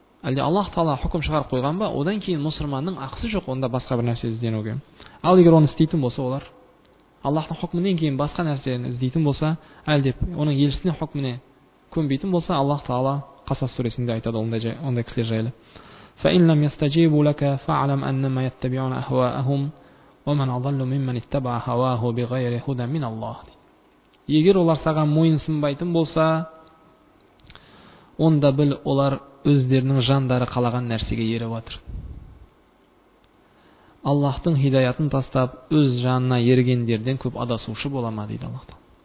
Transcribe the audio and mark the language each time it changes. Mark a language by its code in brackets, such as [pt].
[kk] Әлде Аллаһ Тағала хүкім шығарып қойған ба, одан кейін мұсылманның ақысы жоқ онда басқа бір нәрсе іздеуге. Ал егер оны істейтін болса олар, Аллаһтың хүкмінен кейін басқа нәрсені іздейтін болса, әлде оның елшісінің хүкміне көнбейтін болса, Аллаһ Тағала Қасас сүресінде айтады ондай кісілер жайлы. [ar] فإن لم يستجيبوا لك فاعلم أنما يتبعون أهواءهم ومن أضل ممن اتبع هواه بغير هدى من الله. [kk] Егер олар саған мойынсынбайтын болса, онда біл олар өздерінің жандары қалаған нәрсеге еріп отыр. Аллаһтың хидаятын тастап, өз жанына ергендерден көп адасушы бола ма дейді Аллаһ.